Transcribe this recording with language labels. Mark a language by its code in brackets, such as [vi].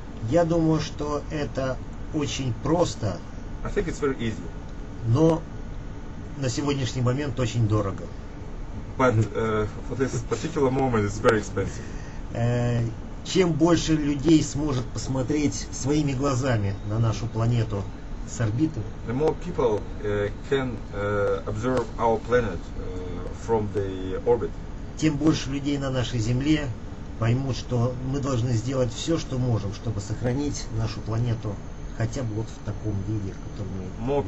[ru] Я думаю, что это очень просто. [en] I think it's very easy. [ru] Но на сегодняшний момент очень дорого. [en] But for this particular moment it's very expensive. [ru] Чем больше людей сможет посмотреть своими глазами на нашу планету с орбиты, [en] the more people can observe our planet from the orbit, [ru] тем больше людей на нашей Земле поймут, что мы должны сделать все, что можем, чтобы сохранить нашу планету хотя бы вот в таком виде, в котором мы видим.